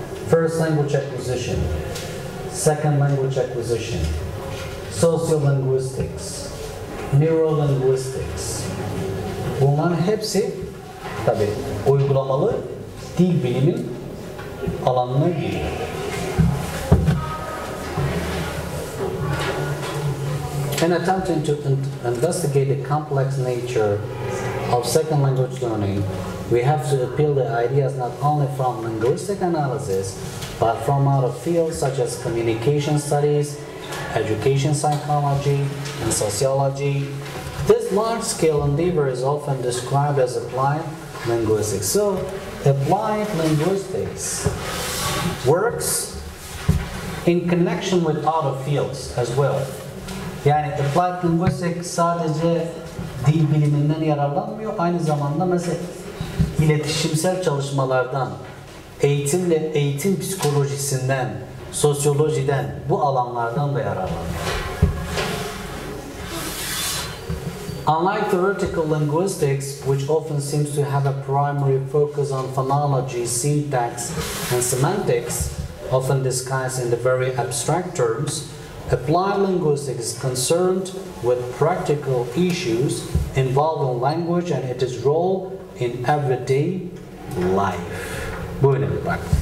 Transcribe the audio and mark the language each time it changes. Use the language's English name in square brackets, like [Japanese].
[English] First language acquisition. Second language acquisition. Sociolinguistics. Neurolinguistics. [Turkish] Bunların hepsi tabii uygulamalı dil bilimin alanına giriyor. [English] In attempting to investigate the complex nature of second language learning, we have to appeal the ideas not only from linguistic analysis, but from other fields such as communication studies, education psychology, and sociology. This large-scale endeavor is often described as applied linguistics. So, applied linguistics works in connection with other fields as well. [Turkish] Yani applied linguistics sadece dil biliminden yararlanmıyor. Aynı zamanda mesela iletişimsel çalışmalardan, eğitimle eğitim psikolojisinden, sosyolojiden, bu alanlardan da yararlanıyor. [English] Unlike theoretical linguistics, which often seems to have a primary focus on phonology, syntax and semantics, often disguised in the very abstract terms, Applied linguistics is concerned with practical issues involving language and its role in everyday life. [Turkish] Buyurun bak.